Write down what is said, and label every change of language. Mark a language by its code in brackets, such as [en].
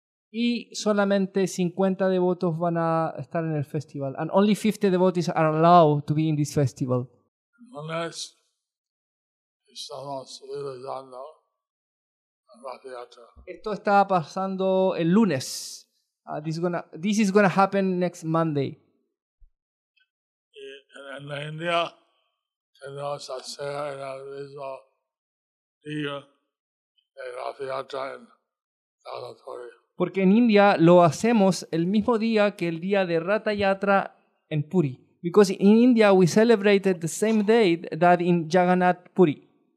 [es] Y solamente 50 devotos van a estar en el festival. [en] And only 50 devotees are allowed to be in this festival. [es] Unless estamos realizando el Ratha Yatra. [en] Esto está pasando el lunes. This is gonna happen next Monday. [es] En la India tenemos hacer en el mismo día el Ratha Yatra en Tiruppati. Porque en India lo hacemos el mismo día que el día de Ratha Yatra en Puri. [en] Because in India we celebrated the same day that in Jagannath Puri.